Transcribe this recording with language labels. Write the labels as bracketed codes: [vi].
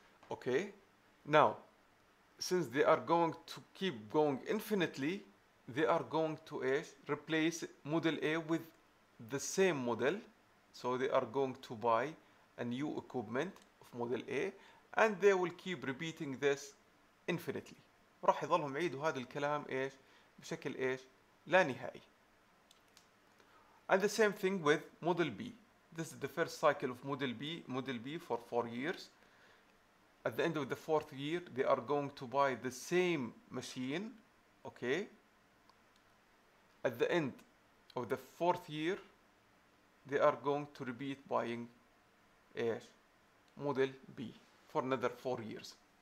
[en] Okay, now since they are going to keep going infinitely, they are going to replace model A with the same model. So they are going to buy a new equipment of model A, and they will keep repeating this infinitely. [ar] راح يظلهم يعيدوا هذا الكلام بشكل لا نهائي. [en] And the same thing with model B. This is the first cycle of model B. Model B for 4 years. At the end of the fourth year, they are going to buy the same machine. Okay. At the end of the fourth year, they are going to repeat buying model B for another 4 years.